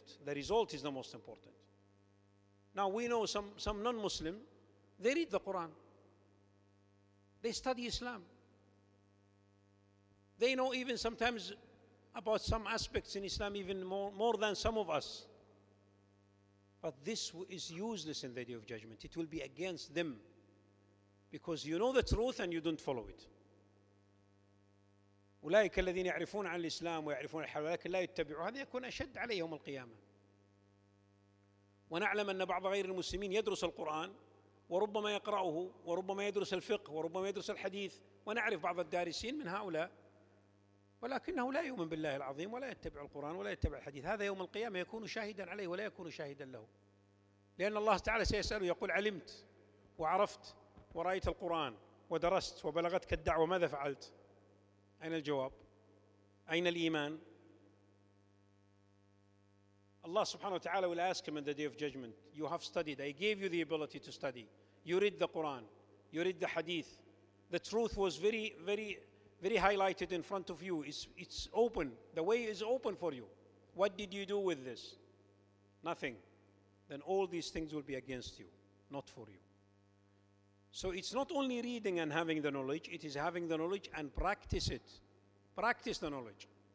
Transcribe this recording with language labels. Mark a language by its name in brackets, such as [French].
[English] result is the most important now we know some non-Muslim they read the Quran they study Islam They know even sometimes about some aspects in Islam even more than some of us. But this is useless in the day of judgment. It will be against them. Because you know the truth and you don't follow it. [Arabic] أولئك الذين يعرفون عن الإسلام ويعرفون الحلال لكن لا يتبعوا هذا يكون أشد عليهم القيامة. ونعلم أن بعض غير المسلمين يدرس القرآن وربما يقرأه وربما يدرس الفقه وربما يدرس الحديث ونعرف بعض الدارسين من هؤلاء ولكنه لا يؤمن بالله العظيم ولا يتبع القرآن ولا يتبع الحديث هذا يوم القيامة يكون شاهدا عليه ولا يكون شاهدا له لأن الله تعالى سيسأله يقول علمت وعرفت ورأيت القرآن ودرست وبلغتك الدعوة ماذا فعلت أين الجواب أين الإيمان [English] الله سبحانه وتعالى will ask him in the day of judgment you have studied I gave you the ability to study you read the Quran you read the hadith the truth was very highlighted in front of you. It's open. The way is open for you. What did you do with this? Nothing. Then all these things will be against you, not for you. So it's not only reading and having the knowledge, it is having the knowledge and practice it. Practice the knowledge.